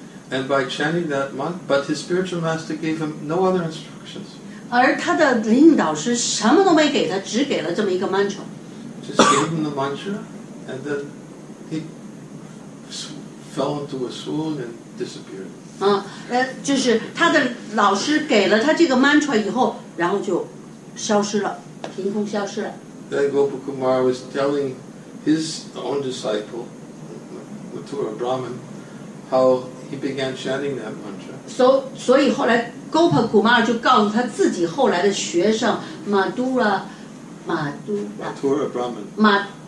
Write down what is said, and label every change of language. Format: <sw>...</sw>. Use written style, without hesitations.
<en>And by chanting that mantra, but his spiritual master gave him no other instructions.</en> <zh>而他的灵性导师什么都没给他，只给了这么一个 mantra.</zh> <en>Just gave him the mantra, and then he fell into a swoon and disappeared.</en> <zh>就是他的老师给了他这个 mantra 以后，然后就消失了，凭空消失了。</zh> <en>Then Gopa Kumar was telling his own disciple, Mathura Brahman, how he began chanting that mantra.</en> <zh>So 后来 Gopa Kumar 就告诉他自己后来的学生 Mathura, Mathura Brahman,</zh>